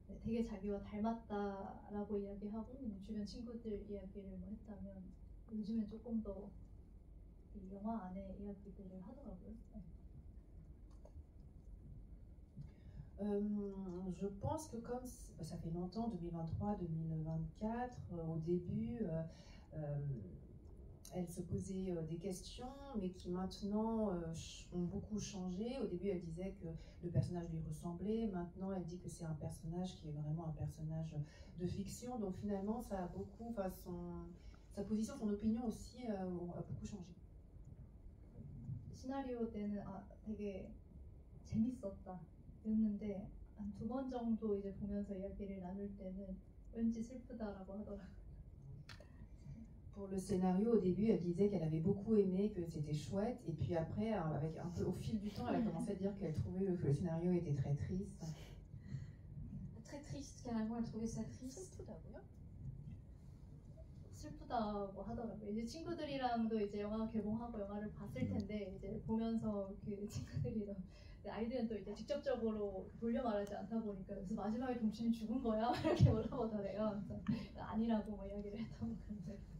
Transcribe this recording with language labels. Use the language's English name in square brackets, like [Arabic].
[Korean] 되게 자기와 닮았다라고 이야기하고 주변 친구들 이야기를 뭐 했다면 요즘엔 조금 더 영화 안에 이야기들을 하더라고요. [French] Je pense que comme ça fait longtemps, 2023-2024, au début, elle se posait des questions, mais qui maintenant ont beaucoup changé. Au début, elle disait que le personnage lui ressemblait. Maintenant, elle dit que c'est un personnage qui est vraiment un personnage de fiction. Donc finalement, ça a beaucoup, enfin, sa position, son opinion aussi a beaucoup changé. [Korean] Scénario 때는 되게 재밌었다. 였는데 한 두 번 정도 이제 보면서 이야기를 나눌 때는 왠지 슬프다라고 하더라고. [French] Pour le scénario au début elle disait qu'elle avait beaucoup aimé que c'était chouette et puis après avec un peu au fil du temps elle a commencé à dire qu'elle trouvait que le scénario était très triste. Très triste carrément elle trouvait ça triste. [Korean] 슬프다고요? 슬프다고 하더라고. 이제 친구들이랑도 이제 영화 개봉하고 영화를 봤을 텐데 이제 보면서 그 친구들이랑 아이들은 또 이제 직접적으로 돌려 말하지 않다 보니까 그래서 마지막에 동치는 죽은 거야 이렇게 물어보더래요. 아니라고 뭐 이야기를 했던 건데.